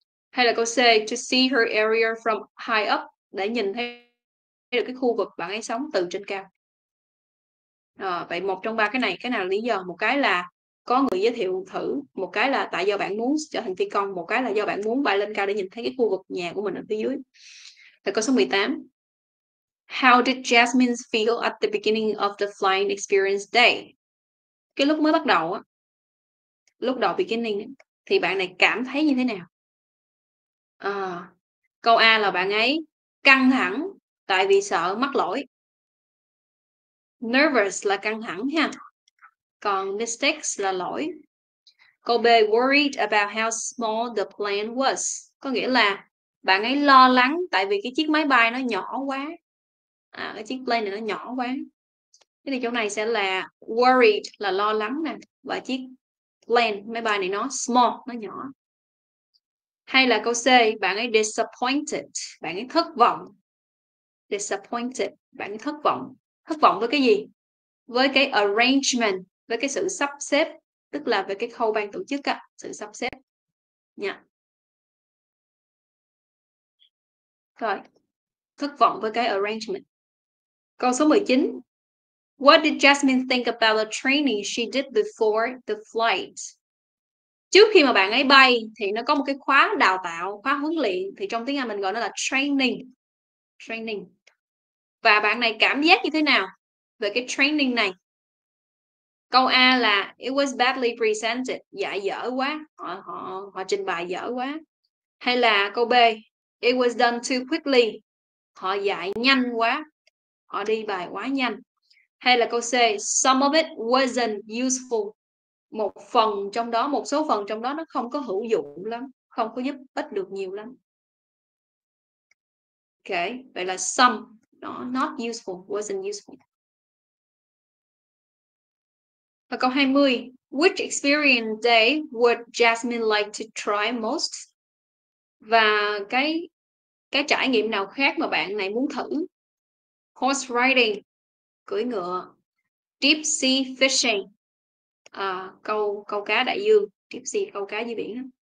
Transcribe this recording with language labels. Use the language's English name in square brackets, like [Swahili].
[Vietnamese] Hay là câu C, [English] to see her area from high up. [Vietnamese] Để nhìn thấy được cái khu vực bạn ấy sống từ trên cao. Vậy một trong ba cái này, cái nào là lý do? Một cái là có người giới thiệu thử, một cái là tại do bạn muốn trở thành phi công, một cái là do bạn muốn bay lên cao để nhìn thấy cái khu vực nhà của mình ở phía dưới. Và câu số 18. [English] How did Jasmine feel at the beginning of the flying experience day? [Vietnamese] Cái lúc mới bắt đầu á, lúc đầu beginning thì bạn này cảm thấy như thế nào? Câu A là bạn ấy căng thẳng tại vì sợ mắc lỗi. Nervous là căng thẳng ha. Còn mistakes là lỗi. [English] Câu B, worried about how small the plane was. [Vietnamese] Có nghĩa là bạn ấy lo lắng tại vì cái chiếc máy bay nó nhỏ quá. Cái chiếc plane này nó nhỏ quá. Thế thì chỗ này sẽ là worried là lo lắng nè. Và chiếc plane, máy bay này nó small, nó nhỏ. Hay là câu C, bạn ấy disappointed, bạn ấy thất vọng. Disappointed, bạn ấy thất vọng. Thất vọng với cái gì? Với cái arrangement, với cái sự sắp xếp, tức là về cái khâu ban tổ chức á, sự sắp xếp. Nha. Rồi. Thất vọng với cái arrangement. Câu số 19. [English] What did Jasmine think about the training she did before the flight? [Vietnamese] Trước khi mà bạn ấy bay thì nó có một cái khóa đào tạo, khóa huấn luyện, thì trong tiếng Anh mình gọi nó là training. Training. Và bạn này cảm giác như thế nào về cái training này? Câu A là [English] it was badly presented, [Vietnamese] dạ dở quá, họ trình bày dở quá. Hay là câu B, [English] it was done too quickly, [Vietnamese] họ dạy nhanh quá, họ đi bài quá nhanh. Hay là câu C, [English] some of it wasn't useful, [Vietnamese] một phần trong đó, một số phần trong đó nó không có hữu dụng lắm, không có giúp ích được nhiều lắm. [English] Ok, [Vietnamese] vậy là [English] some, nó not useful, wasn't useful. Và câu 20, which experience day would Jasmine like to try most? [Vietnamese] Và cái trải nghiệm nào khác mà bạn này muốn thử? [English] Horse riding, [Vietnamese] cưỡi ngựa. [English] Deep sea fishing, [Vietnamese] câu cá đại dương. [English] Deep sea, [Vietnamese] câu cá dưới biển.